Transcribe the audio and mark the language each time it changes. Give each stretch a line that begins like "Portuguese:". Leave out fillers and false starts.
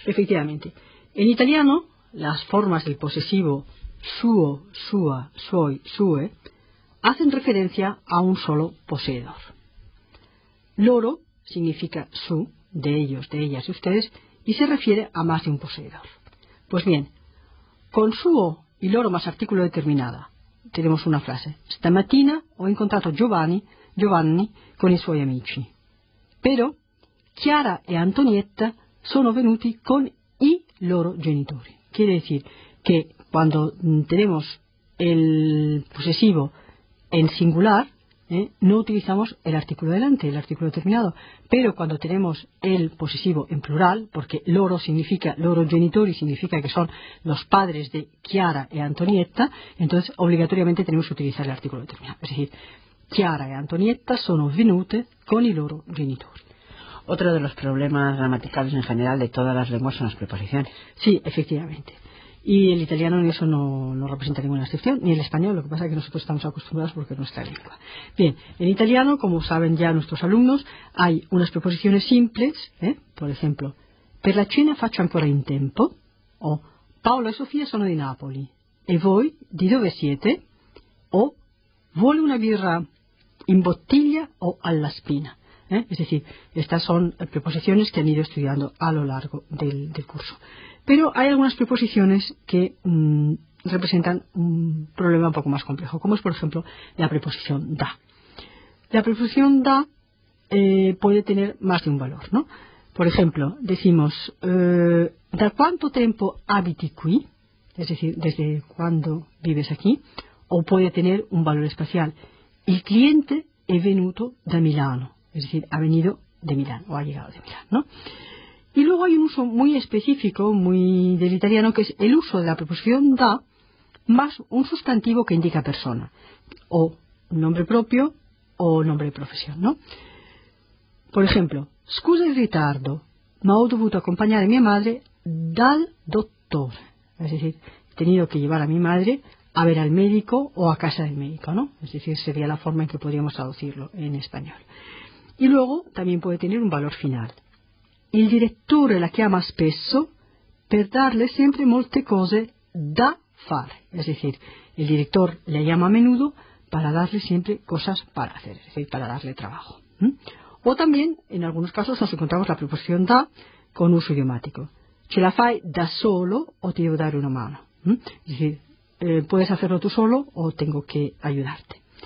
Spanish: Efectivamente. En italiano, las formas del posesivo suo, sua, suoi, sue hacen referencia a un solo poseedor. Loro significa su, de ellos, de ellas y ustedes, y se refiere a más de un poseedor. Pues bien, con suo y loro más artículo determinada, tenemos una frase.
Italian: Stamattina ho incontrato Giovanni con i suoi amici. Pero Chiara e Antonietta sono venuti con i loro genitori.
Spanish: Quiere decir que cuando tenemos el posesivo en singular, no utilizamos el artículo delante, el artículo determinado. Pero cuando tenemos el posesivo en plural, porque loro significa, loro genitori significa que son los padres de Chiara e Antonietta, entonces obligatoriamente tenemos que utilizar el artículo determinado. Es decir,
Italian: Chiara e Antonietta sono venute con i loro genitori.
Spanish: Otro de los problemas gramaticales en general de todas las lenguas son las preposiciones. Sí, efectivamente. Y el italiano en eso no representa ninguna excepción, ni el español, lo que pasa es que nosotros estamos acostumbrados porque es nuestra lengua. Bien, en italiano, como saben ya nuestros alumnos, hay unas preposiciones simples, por ejemplo,
Italian: per la cena faccio ancora in tempo, o Paolo e Sofia sono di Napoli, e voi di dove siete, o vuole una birra in bottiglia o alla spina.
Spanish: Es decir, estas son preposiciones que han ido estudiando a lo largo del curso. Pero hay algunas preposiciones que representan un problema un poco más complejo, como es, por ejemplo, la preposición da. La preposición da puede tener más de un valor, ¿no? Por ejemplo, decimos, ¿da cuánto tiempo
Italian: abiti qui?
Spanish: Es decir, ¿desde cuándo vives aquí? O puede tener un valor espacial.
Italian: Il cliente è venuto da Milano.
Spanish: Es decir, ha venido de Milán o ha llegado de Milán, ¿no? Y luego hay un uso muy específico, muy del italiano, que es el uso de la preposición da más un sustantivo que indica persona, o nombre propio o nombre de profesión, ¿no?
Italian: Por ejemplo, scusa il ritardo, ma ho dovuto accompagnare mia madre dal dottore.
Spanish: Es decir, he tenido que llevar a mi madre a ver al médico o a casa del médico, ¿no? Es decir, sería la forma en que podríamos traducirlo en español. Y luego también puede tener un valor final. El director la llama
Italian: spesso per darle
Spanish: siempre
Italian: molte cose da fare.
Spanish: Es decir, el director le llama a menudo para darle siempre cosas para hacer, es decir, para darle trabajo. O también, en algunos casos, nos encontramos la preposición da con uso idiomático.
Italian: Ce la fai da solo o ti devo dare una mano.
Spanish: Es decir, puedes hacerlo tú solo o tengo que ayudarte.